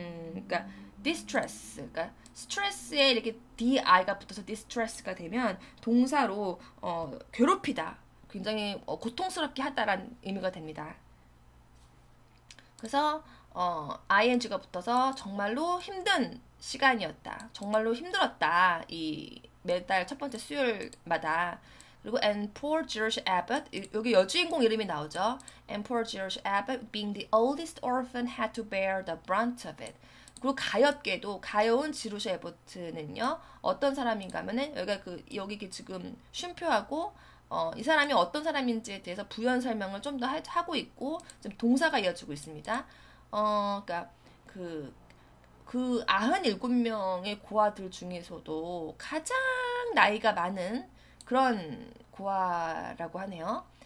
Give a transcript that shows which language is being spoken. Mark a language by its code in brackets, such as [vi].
[ko] 그러니까 distress, 그러니까 스트레스에 이렇게 di가 붙어서 distress가 되면 동사로 괴롭히다, 굉장히 고통스럽게 하다라는 의미가 됩니다. 그래서 ing가 붙어서 정말로 힘든 시간이었다. 정말로 힘들었다. 이 매달 첫 번째 수요일마다. 그리고 [en] and poor George Abbott, [ko] 여기 여주인공 이름이 나오죠. [en] And poor George Abbott, being the oldest orphan, had to bear the brunt of it. [ko] 그리고 가엾게도 가여운 지루시 에버트는요, 어떤 사람인가면은 여기 지금 쉼표하고 이 사람이 어떤 사람인지에 대해서 부연 설명을 좀더 하고 있고 지금 동사가 이어지고 있습니다. 그러니까 그 97명의 고아들 중에서도 가장 나이가 많은 그런 고아라고 하네요.